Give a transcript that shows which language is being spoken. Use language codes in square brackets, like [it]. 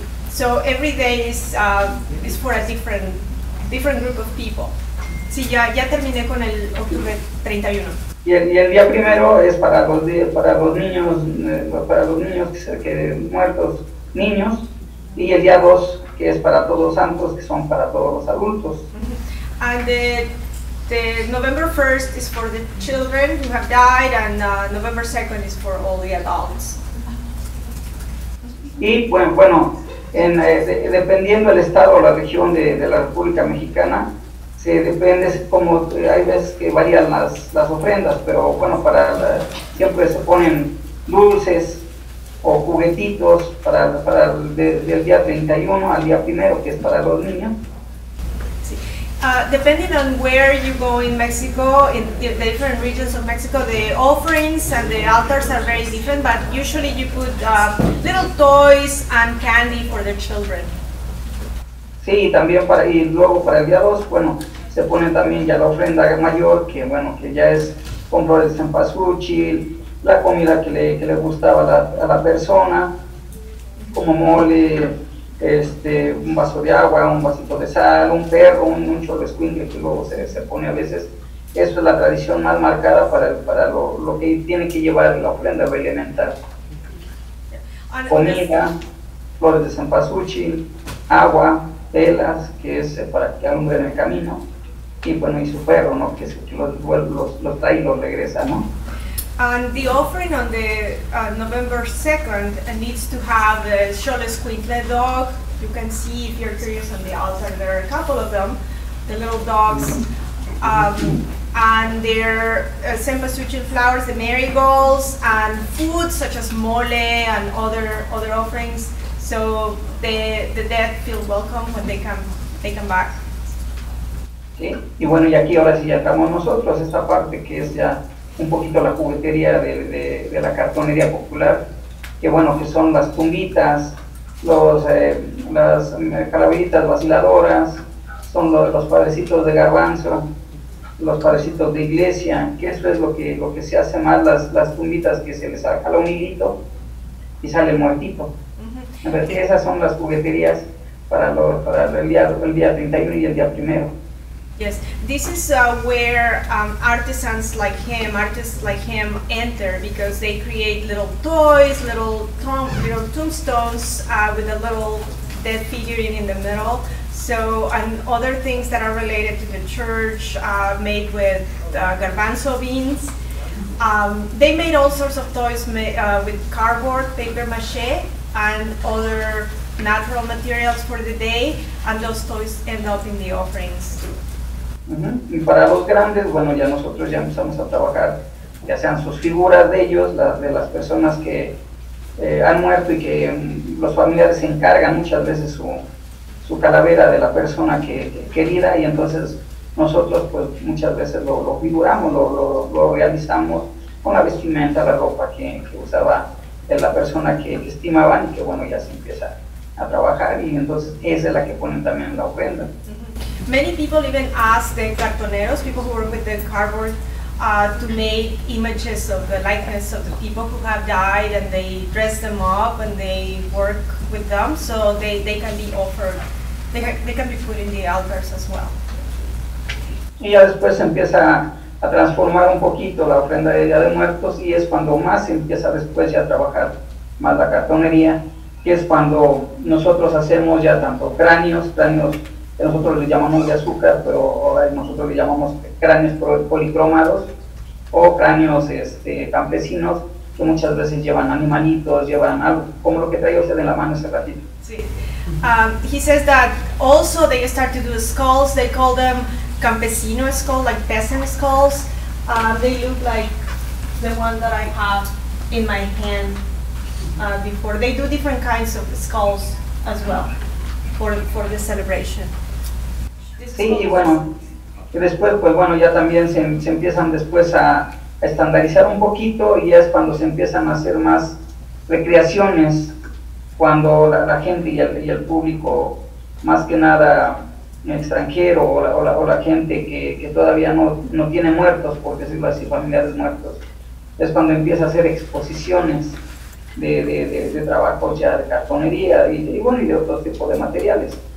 [en] So every day is for a different group of people. [es] Sí, ya terminé con el octubre 31. Y el día primero es para los niños que muertos, niños, y el día 2 que es para todos santos, que son para todos los adultos. Mm-hmm. [en] And the November 1st is for the children who have died, and November 2nd is for all the adults. [es] Y bueno, dependiendo el estado o la región de la República Mexicana, se depende como hay veces que varían las ofrendas, pero bueno, siempre se ponen dulces o juguetitos para del día 31 al día primero, que es para los niños. Sí. [en] Depending on where you go in Mexico, in the different regions of Mexico, the offerings and the altars are very different, but usually you put little toys and candy for the children. [es] Sí, también luego para el día 2, bueno, se pone también ya la ofrenda mayor, que bueno, que ya es con flores de cempasúchil, la comida que le gustaba a la persona, como mole, un vaso de agua, un vasito de sal, un perro, un chorrescuingle que luego se pone a veces. Eso es la tradición más marcada para lo que tiene que llevar la ofrenda elemental. Comida, flores de cempasúchil, agua, velas, que es para que alumbre en el camino, y bueno, y su perro, ¿no? Que los trae y los regresa, ¿no? [en] And the offering on the November 2nd needs to have the cholesquintle dog. You can see, if you're curious, on the altar there are a couple of them, the little dogs, and their cempasúchil flowers, the marigolds, and food such as mole and other offerings, so the dead feel welcome when they come back. [es] Sí. Y bueno, y aquí ahora sí ya estamos nosotros, esta parte que es ya un poquito la juguetería de la cartonería popular, que bueno, que son las tumbitas, las calaveritas vaciladoras, son los padrecitos de garbanzo, los parecitos de iglesia, que eso es lo que se hace mal, las tumbitas, que se les jala un hilito y sale muertito. Uh-huh. Entonces, sí. Esas son las jugueterías para el día 31 y el día primero. [en] Yes, this is where artists like him enter, because they create little toys, little tombstones with a little dead figurine in the middle. So, and other things that are related to the church, made with garbanzo beans. They made all sorts of toys with cardboard, paper mache, and other natural materials for the day, and those toys end up in the offerings. [es] Uh-huh. Y para los grandes, bueno, ya nosotros ya empezamos a trabajar, ya sean sus figuras de ellos, las de las personas que han muerto y que los familiares se encargan muchas veces su calavera de la persona que querida, y entonces nosotros pues muchas veces lo figuramos, lo realizamos con la vestimenta, la ropa que usaba de la persona que estimaban, y que bueno, ya se empieza a trabajar, y entonces esa es la que ponen también la ofrenda. [en] Many people even ask the cartoneros, people who work with the cardboard, to make images of the likeness of the people who have died, and they dress them up and they work with them, so they can be offered, they can be put in the altars as well. [es] Y ya después se empieza a transformar un poquito la ofrenda de Día de Muertos, y es cuando más se empieza después ya a trabajar más la cartonería, que es cuando nosotros hacemos ya tanto cráneos, que nosotros le llamamos de azúcar, pero nosotros le llamamos cráneos policromados, o cráneos campesinos, que muchas veces llevan animalitos, llevan algo, como lo que traía usted en la mano ese ratito. Sí. [en] He says that also they start to do skulls, they call them campesino skulls, like peasant skulls. They look like the one that I have in my hand before. They do different kinds of skulls as well for the celebration. [es] Sí, y bueno, y después, pues bueno, ya también se empiezan después a estandarizar un poquito, y ya es cuando se empiezan a hacer más recreaciones, cuando la gente y el público, más que nada extranjero o la gente que todavía no tiene muertos, por decirlo así, familiares muertos, es cuando empieza a hacer exposiciones de trabajos ya de cartonería y bueno, y de otro tipo de materiales.